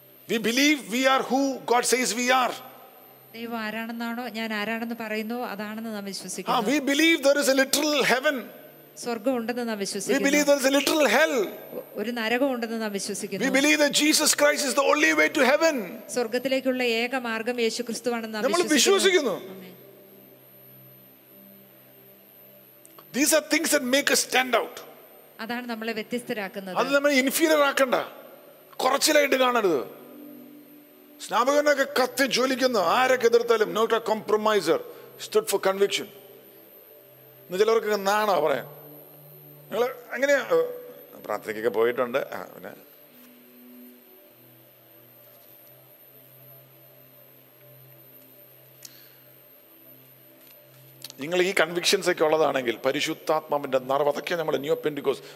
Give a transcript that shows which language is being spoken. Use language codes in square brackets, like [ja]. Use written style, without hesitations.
[en] We believe we are who God says we are. [ml] ദൈവം ആരാണെന്നാണോ ഞാൻ ആരാണെന്ന് പറയുന്നോ അതാണെന്ന് നാം വിശ്വസിക്കുന്നു. [en] We believe there is a literal heaven. [ml] സ്വർഗ്ഗം ഉണ്ടെന്ന് നാം വിശ്വസിക്കുന്നു. [en] We believe there is a literal hell. [ml] ഒരു നരകം ഉണ്ടെന്ന് നാം വിശ്വസിക്കുന്നു. [en] We believe that Jesus Christ is the only way to heaven. [ml] സ്വർഗ്ഗത്തിലേക്കുള്ള ഏക മാർഗ്ഗം യേശുക്രിസ്തുവാണെന്ന് നാം വിശ്വസിക്കുന്നു. [en] These are things that make us stand out. [ml] അതാണ് നമ്മളെ വ്യത്യസ്തരാക്കുന്നത്. അത് നമ്മളെ inferior ആക്കണ്ട, കുറച്ചിലായിട്ട് കാണരുത്. സ്നാപകനൊക്കെ കത്തി ജ്വലിക്കുന്നു, ആരൊക്കെ എതിർത്താലും [en] not a compromiser, stood for conviction [ml] എന്ന് ചിലവർക്കൊക്കെ നാണോ പറയാം. നിങ്ങൾ അങ്ങനെയാ പ്രാർത്ഥനയ്ക്കൊക്കെ പോയിട്ടുണ്ട്. പിന്നെ നിങ്ങൾ ഈ കൺവിക്ഷൻസ് ഒക്കെ ഉള്ളതാണെങ്കിൽ പരിശുദ്ധാത്മാവിന്റെ നിറവ് അതൊക്കെ നമ്മുടെ ന്യൂ പെന്റിക്കോസ്.